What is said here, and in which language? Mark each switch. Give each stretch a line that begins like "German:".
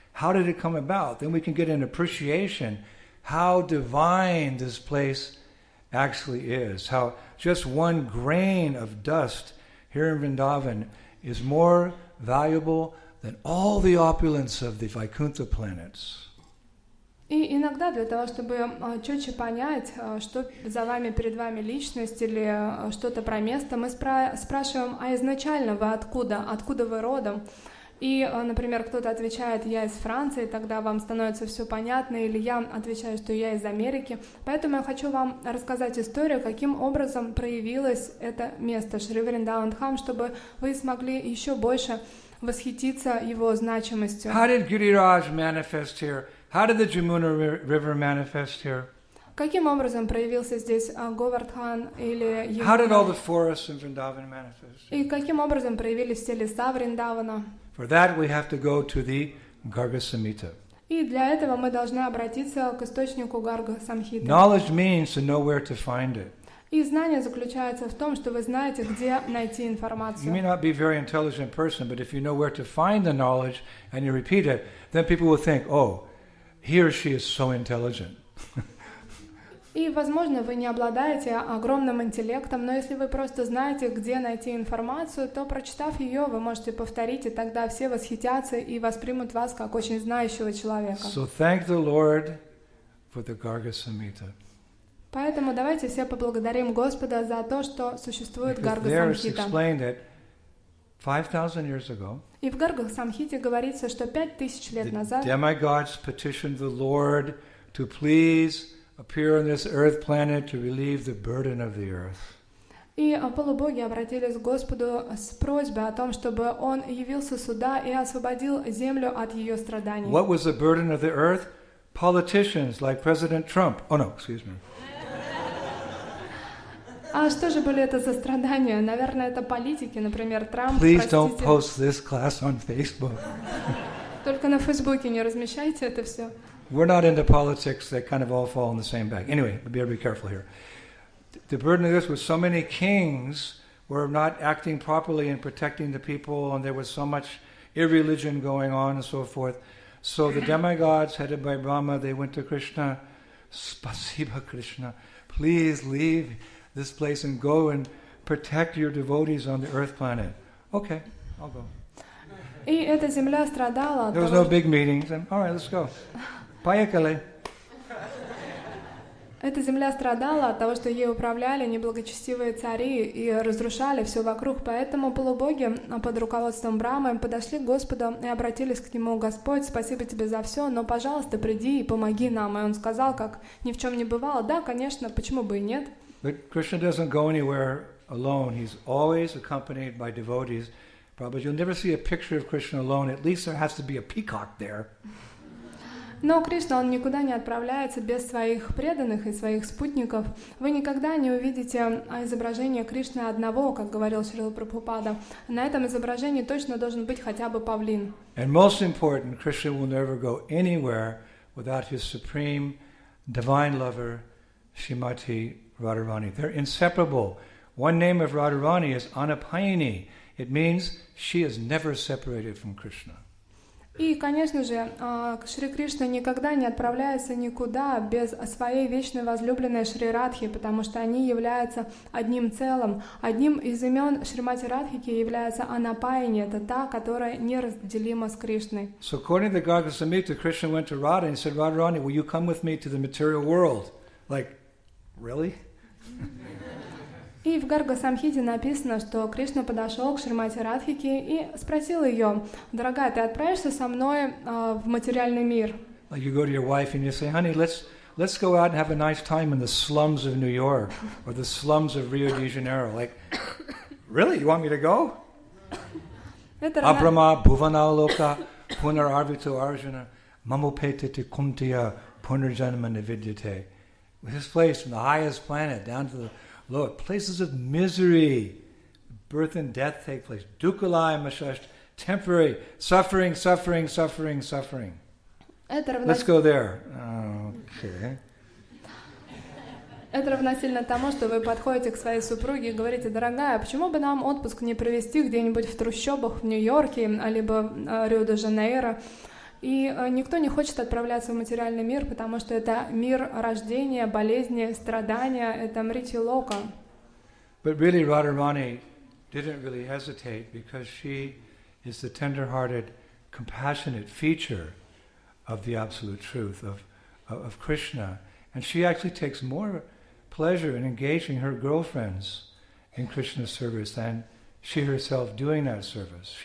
English: How did it come about? Then we can get an appreciation how divine this place actually is. How just one grain of dust here in Vrindavan is more valuable than all the opulence of the Vaikuntha planets.
Russian: И иногда для того, чтобы четче понять, что за вами, перед вами личность или что-то про место, мы спрашиваем, а изначально вы откуда? Откуда вы родом? И, например, кто-то отвечает, я из Франции, тогда вам становится все понятно, или я отвечаю, что я из Америки. Поэтому я хочу вам рассказать историю, каким образом проявилось это место, Шри Вриндаван Дхам, чтобы вы смогли еще больше восхититься его значимостью.
English: How did Гирирадж manifest here? How did the Jamuna River manifest here?
Russian: Каким образом проявился здесь Говардхан или Ямуна?
English: How did all the forests in Vrindavan manifest?
Russian: И каким образом проявились все леса Вриндавана?
English: For that we have to go to the Garga Samhita.
Russian: И для этого мы должны обратиться к источнику Гарга Самхиты.
English: Knowledge means to know where to find it.
Russian: И знание заключается в том, что вы знаете, где найти информацию.
English: You may not be a very intelligent person, but if you know where to find the knowledge and you repeat it, then people will think, oh. He or she is so intelligent.
Russian: И, возможно, вы не обладаете огромным интеллектом, но если вы просто знаете, где найти информацию, то, прочитав ее, вы можете повторить, и тогда все восхитятся и воспримут вас как очень знающего человека.
English: So thank the Lord for the Garga Samhita.
Russian: Поэтому давайте все поблагодарим Господа за то, что существует Гарга
English: Самхита. 5,000 years ago.
Russian: И в Гаргах Самхите говорится, что 5,000 лет назад.
English: The demigods petitioned the Lord to please appear on this earth planet to relieve the burden of the earth.
Russian: И полубоги обратились к Господу с просьбой о том, чтобы он явился сюда и освободил землю от ее страданий.
English: What was the burden of the earth? Politicians like President Trump. Oh no, excuse me.
Russian: А что же были это за страдания? Наверное, это политики, например, Трамп.
English: Please don't post this class on Facebook.
Russian: Только на Фейсбуке не размещайте это все.
English: We're not into politics. They kind of all fall in the same bag. Anyway, be careful here. The burden of this was so many kings were not acting properly in protecting the people, and there was so much irreligion going on and so forth. So the demigods, headed by Brahma, they went to Krishna.
Russian: Spasiba
English: Krishna, please leave this place and go and protect your devotees on the earth planet. Okay, I'll go.
Russian: И эта земля страдала.
English: There was no big meetings. All right, let's go.
Russian: Поехали. Эта земля страдала от того, что ей управляли неблагочестивые цари и разрушали все вокруг. Поэтому полубоги под руководством Брамы подошли к Господу и обратились к нему: «Господь, спасибо тебе за все, но, пожалуйста, приди и помоги нам». И он сказал, как ни в чем не бывало: «Да, конечно, почему бы и нет?»
English: But Krishna doesn't go anywhere alone. He's always accompanied by devotees. Prabhupada, you'll never see a picture of Krishna alone. At least there has to be a peacock there.
Russian: Но Кришна, он никуда не отправляется без своих преданных и своих спутников. Вы никогда не увидите изображение Кришны одного, как говорил Шрила Прабхупада. На этом изображении точно должен быть хотя бы павлин.
English: And most important, Krishna will never go anywhere without his supreme divine lover, Srimati Radharani. They're inseparable. One name of Radharani is Anapayini. It means she is never separated from Krishna.
Russian: И, конечно же, Шри Кришна никогда не отправляется никуда без своей вечной возлюбленной Шри Радхи, потому что они являются одним целым. Одним из имен Шримати Радхики является Анапайни, это та, которая неразделима с Кришной.
English: So according to the Gargi Samhita, Krishna went to Radha and said, Radharani, will you come with me to the material world? Like, really?
Russian: И в Гарга-самхите написано, что Кришна подошел к Шримати Радхике и спросил ее: «Дорогая, ты отправишься со мной в материальный мир?»
English: Like you go to your wife and you say, honey, let's go out and have a nice time in the slums of New York or the slums of Rio de Janeiro. Like, really? You want me to go?
Sanskrit: Абрама, Бхуванаалока, Пунарарвиту Арджуна, Мамупетити Кунтия, Пунарджанама Навидьяте.
English: This place from the highest planet down to the Lord, places of misery, birth and death take place.
Sanskrit: Dukkalai Mashash,
English: temporary, suffering, suffering, suffering, suffering. Let's go there. Okay.
Russian: Это равносильно тому, что вы подходите к своей супруге и говорите: «Дорогая, почему бы нам отпуск не провести где-нибудь в трущобах в Нью-Йорке, либо Рио-де-Жанейро?» И никто не хочет отправляться в материальный мир, потому что это мир рождения, болезни, страдания, это мрити лока.
English: But really, Radharani didn't really hesitate because she is the tender-hearted, compassionate feature of the absolute truth of Krishna, and she actually takes more pleasure in engaging her girlfriends in Krishna's service than she herself doing that service.